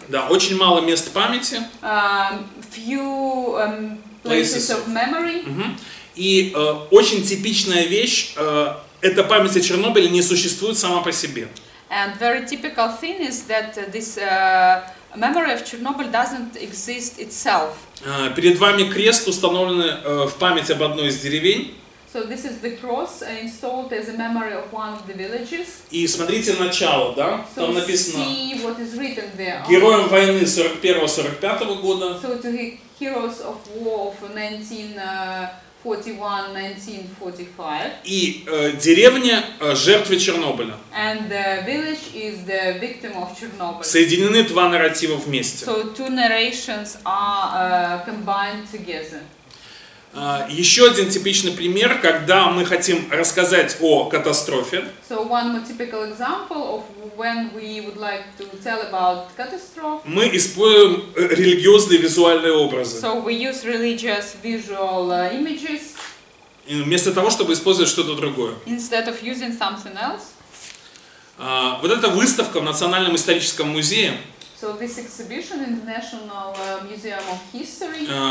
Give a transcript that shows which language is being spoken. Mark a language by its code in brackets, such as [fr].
[ru] Да, очень мало мест памяти. [en] Few places of memory. [ru] И очень типичная вещь, эта память о Чернобыле не существует сама по себе. [en] And very typical thing is that this memory of Chernobyl doesn't exist itself. [ru] Перед вами крест, установленный в память об одной из деревень. [en] So this is the cross installed as a memory of one of the villages. [ru] И смотрите начало, да? Там so написано. [en] See what is written there. [ru] Героям войны 41-45 года. [en] So to the heroes of war of 1941-1945. [ru] И деревня жертвы Чернобыля. [en] And the village is the victim of Chernobyl. [ru] Соединены два нарратива вместе. [en] So two narrations are combined together. [ru] Еще один типичный пример, когда мы хотим рассказать о катастрофе. [en] So one more typical example of when we would like to tell about catastrophe. [ru] Мы используем религиозные визуальные образы. [en] So we use religious visual images. [ru] вместо того, чтобы использовать что-то другое. [en] Instead of using something else. [ru] Вот эта выставка в Национальном историческом музее. [en] So this exhibition in the National Museum of History.